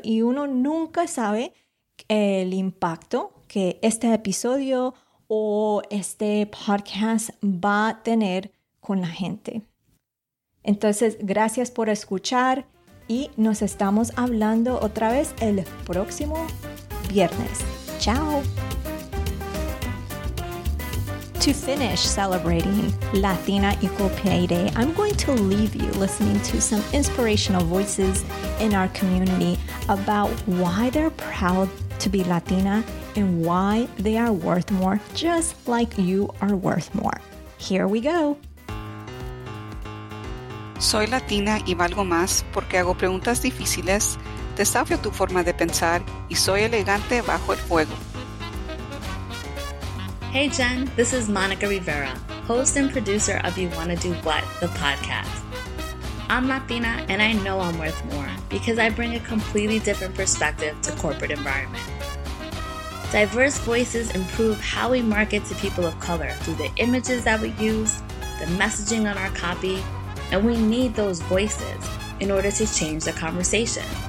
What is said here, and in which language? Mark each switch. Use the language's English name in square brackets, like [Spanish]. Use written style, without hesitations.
[Spanish] Y uno nunca sabe el impacto que este episodio o este podcast va a tener con la gente. Entonces, gracias por escuchar y nos estamos hablando otra vez el próximo viernes. ¡Chao! [English] To finish celebrating Latina Equal Pay Day, I'm going to leave you listening to some inspirational voices in our community about why they're proud to be Latina and why they are worth more, just like you are worth more. Here we go. [Spanish] Soy Latina y valgo más porque hago preguntas difíciles, desafío tu forma de pensar y soy elegante bajo el fuego. [English] Hey Jen, this is Monica Rivera, host and producer of You Wanna Do What, the podcast. I'm Latina and I know I'm worth more because I bring a completely different perspective to corporate environment. Diverse voices improve how we market to people of color through the images that we use, the messaging on our copy, and we need those voices in order to change the conversation.